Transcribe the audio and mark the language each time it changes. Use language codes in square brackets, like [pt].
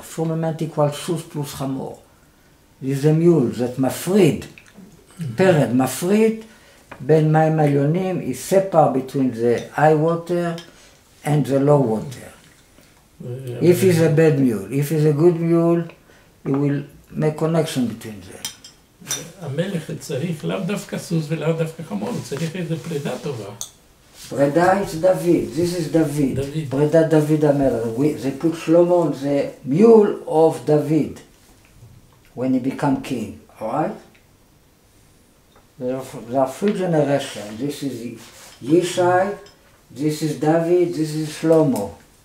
[en] Firmament equals sus plus chamor. This is a mule that mafrid, pered, mafrid, ben mayim elyonim, is separate between the high water and the low water. If he's a bad mule, if he's a good mule, he will make connection between them. [he] המלך צריך לאו דווקא סוס ולאו דווקא חמור, צריך איזה פרידה טובה. [en] פרידה is David, this is David. [he] פרידה דוד המלך. [en] They put Shlomo on the mule of David. when he become king, all right? There are three generations. This is Yishai, this is David, this is Shlomo.